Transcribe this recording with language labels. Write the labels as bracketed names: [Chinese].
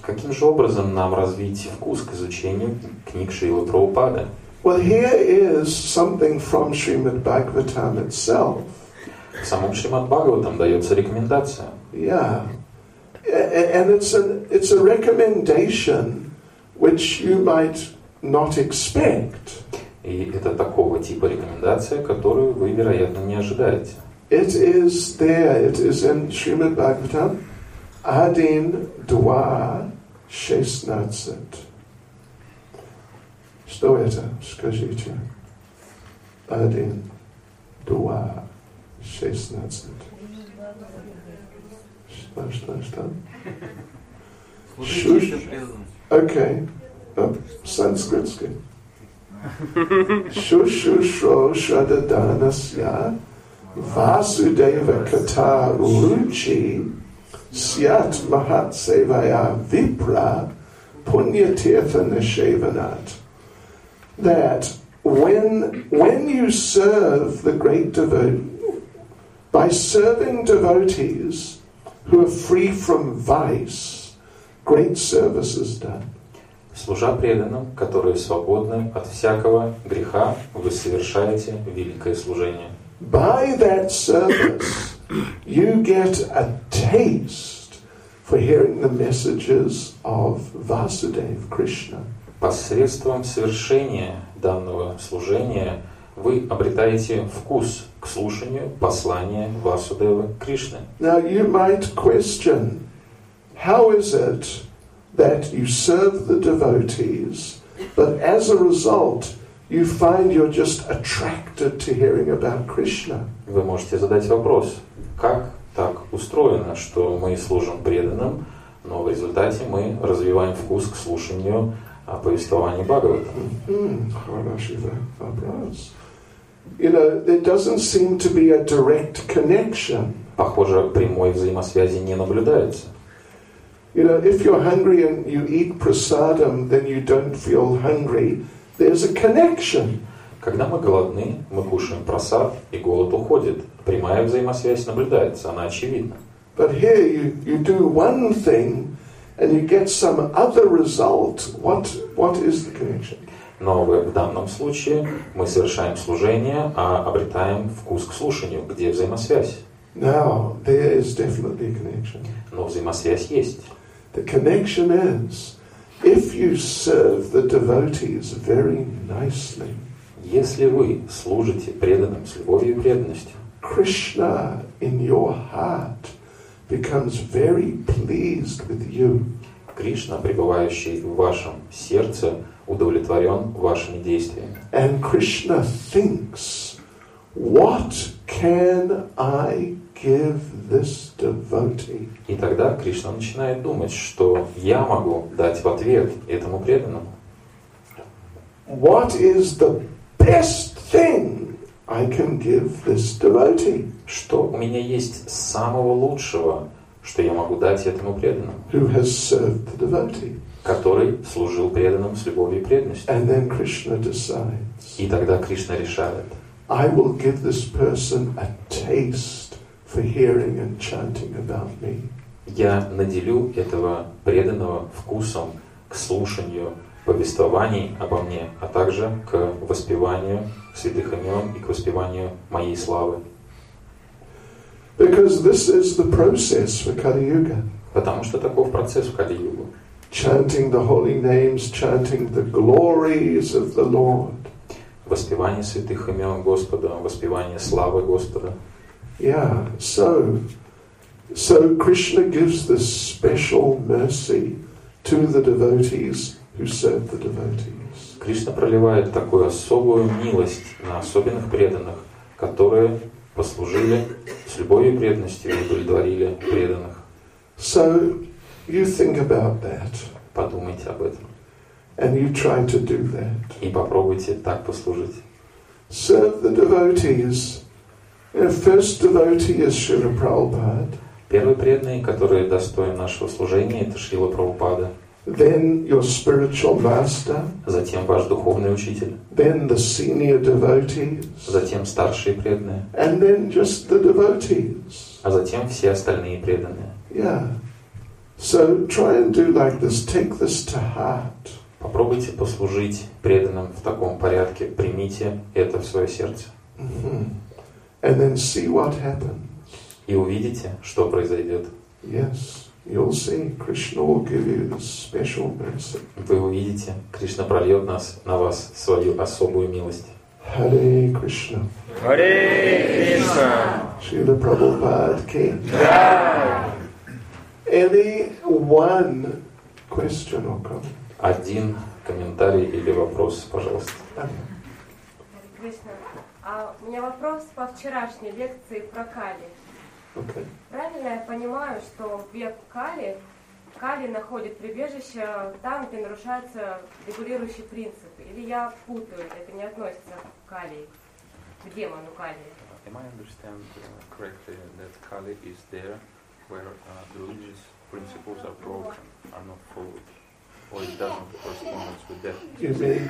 [Russian] Каким же образом нам развить вкус к изучению книг Шрилы Прабхупады? [English] Well, here is something from Srimad Bhagavatam itself. [Russian] В самом Шримад Бхагаватам дается рекомендация. [English] Yeah. And it's a recommendation which you might not expect. [Russian] И это такого типа рекомендация, которую вы, вероятно, не ожидаете. [English] It is there, it is in Srimad Bhagavatam, Adin Dwa 16. [Russian] Что это? Скажите. Один, два, шестнадцать. Что? [Sanskrit] Okay. Санскритский. Шу-шу-шо шададанасья Васудева ката уручи Сьят махатсевая випра Пуньятирта-нишеванат. [English] That when you serve the great devotee, by serving devotees who are free from vice, great service is done. [Russian] Служа преданным, которые свободны от всякого греха, вы совершаете великое служение. [English] By that service you get a taste for hearing the messages of Vasudev Krishna. [Russian] Посредством совершения данного служения вы обретаете вкус к слушанию послания Васудевы Кришны. [English] Now you might question, how is it that you serve the devotees, but as a result you find you're just attracted to hearing about Krishna? [Russian] Вы можете задать вопрос, как так устроено, что мы служим преданным, но в результате мы развиваем вкус к слушанию о повествовании Бхагавата. Хороший вопрос. [English] You know, there doesn't seem to be a direct connection. [Russian] Похоже, прямой взаимосвязи не наблюдается. [English] You know, if you're hungry and you eat prasadam, then you don't feel hungry. There's a connection. [Russian] Когда мы голодны, мы кушаем просад, и голод уходит. Прямая взаимосвязь наблюдается, она очевидна. [English] But here you do one thing, and you get some other result. What is the connection? [Russian] Но в данном случае мы совершаем служение, а обретаем вкус к слушанию. Где взаимосвязь? [English] Now, there is definitely a connection. [Russian] Но взаимосвязь есть. [English] The connection is, if you serve the devotees very nicely, [Russian] если вы служите преданным с любовью и преданностью, [English] Krishna in your heart becomes very pleased with you. [Russian] Кришна, пребывающий в вашем сердце, удовлетворен вашими действиями. [English] And Krishna thinks, what can I give this devotee? [Russian] И тогда Кришна начинает думать, что я могу дать в ответ этому преданному. [English] What is the best thing I can give this devotee? [Russian] Что у меня есть самого лучшего, что я могу дать этому преданному? [English] Who has served the devotee? [Russian] Который служил преданным с любовью и преданностью. [English] And then Krishna decides. [Russian] И тогда Кришна решает. [English] I will give this person a taste for hearing and chanting about me. [Russian] Я наделю этого преданного вкусом к слушанию повествований обо мне, а также к воспеванию святых имен и к воспеванию моей славы. [English] Because this is the process for Kali Yuga. [Russian] Потому что таков процесс в Кали Юге. [English] Chanting the holy names, chanting the glories of the Lord. [Russian] Воспевание святых имен Господа, воспевание славы Господа. [English] Yeah, so Krishna gives this special mercy to the devotees who serve the devotees. [Russian] Кришна проливает такую особую милость на особенных преданных, которые послужили с любовью и преданностью и удовлетворили преданных. [English] So you think about that. [Russian] Подумайте об этом. [English] And you try to do that. [Russian] И попробуйте так послужить. [English] Serve the devotees first devotee is Srila Prabhupada. [Russian] Первый преданный, который достоин нашего служения, это Шрила Прабхупада. [English] Then your spiritual master. [Russian] Затем ваш духовный учитель. [English] Then the senior devotees. [Russian] Затем старшие преданные. [English] And then just the devotees. [Russian] А затем все остальные преданные. [English] Yeah. So try and do like this. Take this to heart. [Russian] Попробуйте послужить преданным в таком порядке. Примите это в свое сердце. [English] Mm-hmm. And then see what happens. [Russian] И увидите, что произойдет. [English] Yes. You'll see, Krishna will give you this special mercy. [Russian] Вы увидите, Кришна прольет нас на вас свою особую милость. [Sanskrit] Hare Krishna. Hare Krishna. Srila Prabhupada ki. Jai. [English] Any one question or comment? [Russian] Один комментарий или вопрос, пожалуйста. [Sanskrit] Hare Krishna. [Russian] У меня вопрос по вчерашней лекции про Кали. [English] Okay. [Russian] Правильно я понимаю, что век Кали, Кали находит прибежище там, где нарушаются регулирующие принципы? Или я путаю, это не относится к Кали, к демону Кали? [English] Am I understand correctly that Kali is there where religious principles are broken, are not followed, or it doesn't correspond with that?